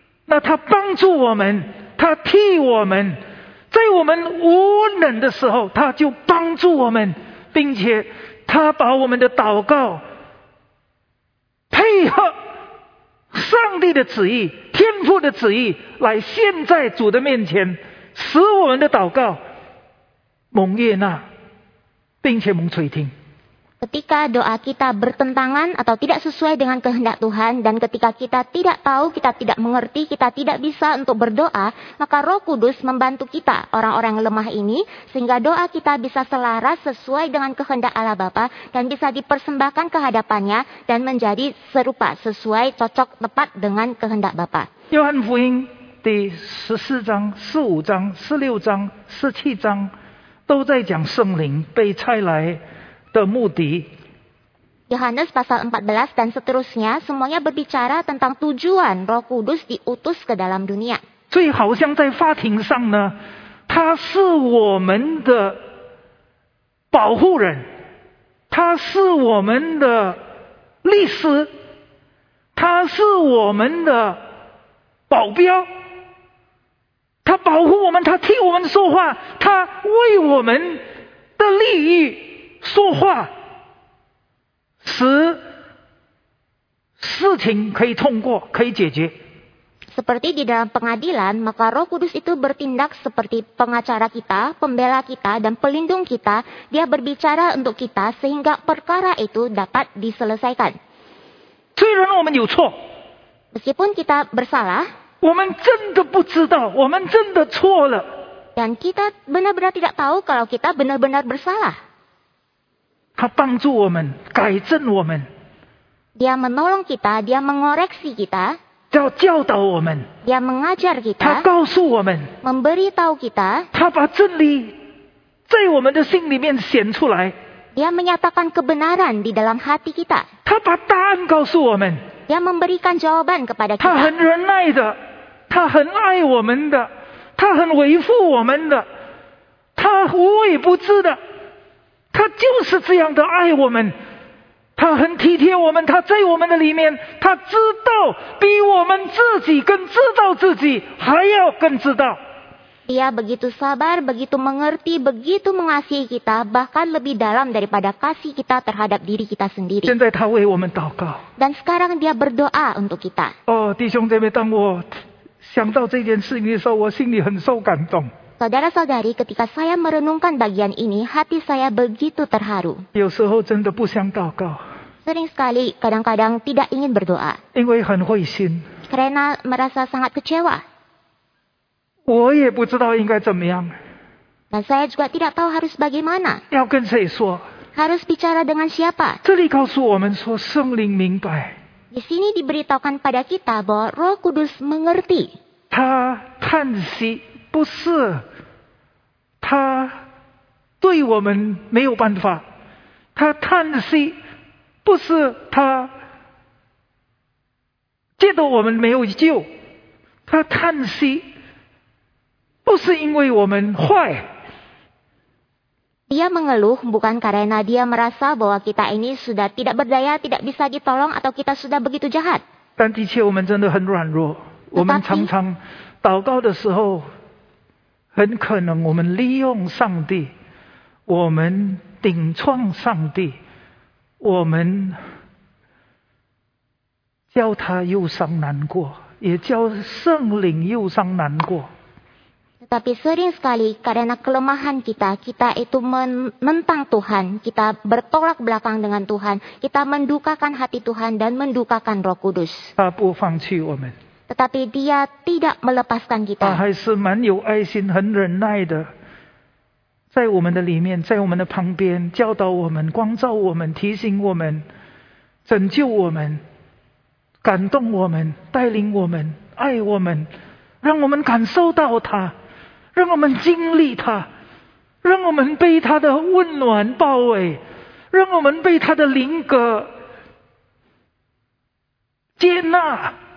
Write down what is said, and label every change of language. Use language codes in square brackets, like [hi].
[zh] 那他帮助我们，他替我们，在我们无能的时候，他就帮助我们，并且他把我们的祷告配合上帝的旨意、天父的旨意来献在主的面前，使我们的祷告蒙悦纳，并且蒙垂听。 [id] Ketika doa kita bertentangan atau tidak sesuai dengan kehendak Tuhan, dan ketika kita tidak tahu, kita tidak mengerti, kita tidak bisa untuk berdoa, maka Roh Kudus membantu kita, orang-orang lemah ini, sehingga doa kita bisa selaras sesuai dengan kehendak Allah Bapa dan bisa dipersembahkan kehadapannya dan menjadi serupa, sesuai, cocok, tepat dengan kehendak Bapa. [zh] Yohan Fuing di 14 章, 15 章, 16 章, 17 章, 都在讲圣灵被差来的目的。 [id] Yohanes pasal 14 dan seterusnya semuanya berbicara tentang tujuan Roh Kudus diutus ke dalam dunia. [zh] 所以好像在法庭上呢，他是我们的保护人，他是我们的律师，他是我们的保镖，他保护我们，他替我们说话，他为我们的利益说话，使事情可以通过，可以解决。 [id] Seperti di dalam pengadilan, maka Roh Kudus itu bertindak seperti pengacara kita, pembela kita, dan pelindung kita. Dia berbicara untuk kita sehingga perkara itu dapat diselesaikan. [zh] 虽然我们有错， [id] meskipun kita bersalah, [zh] 我们真的不知道，我们真的错了， [id] dan kita benar-benar tidak tahu kalau kita benar-benar bersalah. [zh] 他帮助我们，改正我们。 [id] Dia menolong kita, dia mengoreksi kita. [zh] 要教导我们。 [id] Dia mengajar kita. [zh] 他告诉我们。 [id] Memberitahu kita. [zh] 他把真理在我们的心里面显出来。 [id] Dia menyatakan kebenaran di dalam hati kita. [zh] 他把答案告诉我们。 [id] Dia memberikan jawaban kepada kita. [zh] 他很仁爱的，他很爱我们的，他很维护我们的，他无微不至的。他就是这样的爱我们，他很体贴我们，他在我们的里面，他知道比我们自己更知道自己还要更知道。 [id] Dia begitu sabar, begitu mengerti, begitu mengasihi kita, bahkan lebih dalam daripada kasih kita terhadap diri kita sendiri. [zh] 现在他为我们祷告。 [id] Dan sekarang dia berdoa untuk kita. [zh] Oh, 弟兄姐妹，当我想到这件事情的时候，我心里很受感动。 [id] Saudara-saudari, ketika saya merenungkan bagian ini, hati saya begitu terharu. [zh] 有时候真的不想祷告。 [id] Sering sekali, kadang-kadang tidak ingin berdoa. [zh] 因为很灰心。 [id] Karena merasa sangat kecewa. [zh] 我也不知道应该怎么样。 [id] Dan saya juga tidak tahu harus bagaimana. [zh] 要跟谁说。 [id] Harus bicara dengan siapa. [zh] 这里告诉我们说圣灵明白。 [id] Di sini diberitahukan pada kita bahwa Roh Kudus mengerti. [zh] 他叹息。不是他对我们没有办法，他叹息不是他觉得我们没有救，他叹息不是因为我们坏。 [id] Dia mengeluh bukan karena dia merasa bahwa kita ini sudah tidak berdaya, tidak bisa ditolong, atau kita sudah begitu jahat. [zh] 但的确我们真的很软弱，我们常常祷告的时候很可能我们利用上帝，我们顶撞上帝，我们叫他忧伤难过，也叫圣灵忧伤难过。 [id] Tetapi sering sekali karena kelemahan kita, kita itu menentang Tuhan, kita bertolak belakang dengan Tuhan, kita mendukakan hati Tuhan dan mendukakan Roh Kudus. [zh] 他不放弃我们。 [id] Tetapi dia tidak melepaskan kita. [zh] 他还是蛮有爱心，很忍耐的，在我们的里面，在我们的旁边，教导我们，光照我们，提醒我们，拯救我们，感动我们，带领我们，爱我们，让我们感受到他，让我们经历他，让我们被他的温暖包围，让我们被他的灵格接纳。